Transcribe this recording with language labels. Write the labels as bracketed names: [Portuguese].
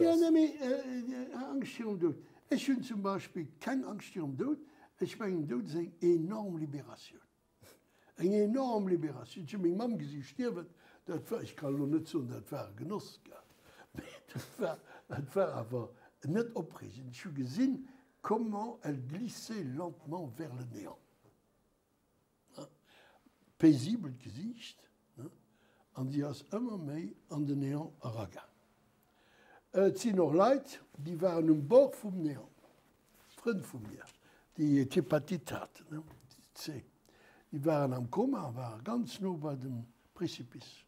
[German] ist. Ja, Angst für den Tod. Ich habe zum Beispiel keine Angst für den Tod. Ich meine, der Tod ist eine enorme Liberation. Eine enorme Liberation. Ich habe meine Mama gesehen, sterben. Das war, ich kann nur nicht so, das war ein Genuss. Das war aber nicht aufregend. Ich habe gesehen, [French] comment elle glissait lentement vers le néant. [German] Ja. Paisible Gesicht. Ja. Und sie hat immer mehr an den Néant ragen. Es sind noch Leute, die waren am Bord vom Néant. Freunde von mir, die Hepatit hatten. Ne? Die waren am Koma, waren ganz nah bei dem Präzipis.